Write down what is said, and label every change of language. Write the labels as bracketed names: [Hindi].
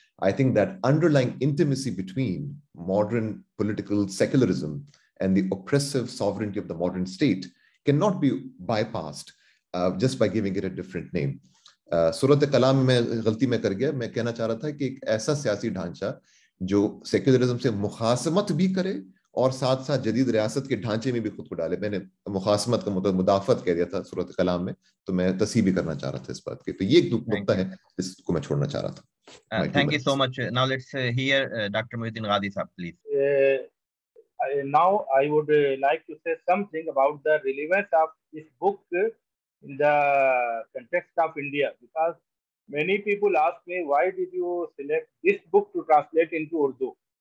[English] I think that underlying intimacy between modern political secularism and the oppressive sovereignty of the modern state cannot be bypassed just by giving it a different name. [Urdu] Surat kalam mein galti mein kar gaya, main kehna chah raha tha ki ek aisa siyasi dhancha jo secularism se mukhasamat bhi kare, اور ساتھ ساتھ جدید ریاست کے ڈھانچے میں بھی خود کو ڈالے. میں نے مخاصمت کا مطلب مدافعت کہہ دیا تھا صورت کلام میں, تو میں تصحیح بھی کرنا چاہ رہا تھا اس بات کی. تو یہ ایک نقطہ ہے جس کو میں چھوڑنا چاہ رہا تھا. [English] Thank you so much. Now let's hear Dr. Mohiuddin Ghazi sir, please. Now I would like to say something about the relevance of this book in the context of India, because many people ask me, why did you select this book to translate into Urdu?